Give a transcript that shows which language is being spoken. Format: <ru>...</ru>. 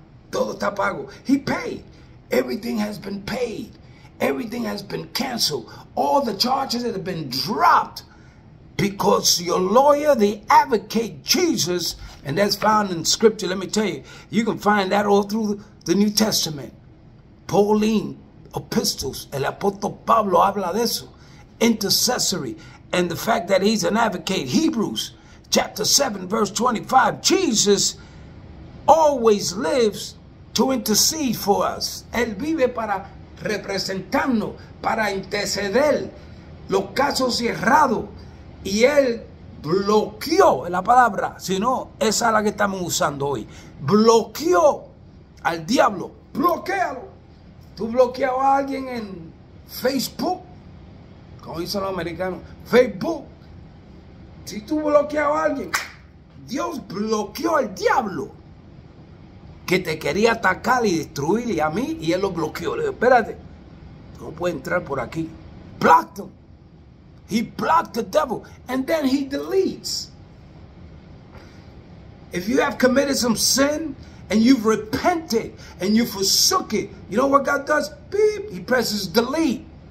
<es>Todo está pago.</es> <en>He paid. Everything has been paid. Everything has been canceled. All the charges that have been dropped because your lawyer, the advocate, Jesus, and that's found in scripture. Let me tell you, you can find that all through the New Testament. Pauline epistles,</en> <es>el apóstol Pablo habla de eso.</es> <en>Intercessory. And the fact that he's an advocate. Hebrews chapter 7, verse 25. Jesus always lives to intercede for us.</en> <es>Él vive para representarnos, para interceder los casos cerrados. Y él bloqueó, la palabra, si no, esa es la que estamos usando hoy. Bloqueó al diablo. Bloquealo. ¿Tú bloqueas a alguien en Facebook? Como dicen los americanos, Facebook. Si tú bloqueas a alguien, Dios bloqueó al diablo, que te quería atacar y destruir, y a mí, y él lo bloqueó. Le dijo, espérate, no puede entrar por aquí.</es> <en>Blocked him. He blocked the devil, and then he deletes. If you have committed some sin, and you've repented, and you forsook it, you know what God does? Beep, he presses delete.</en>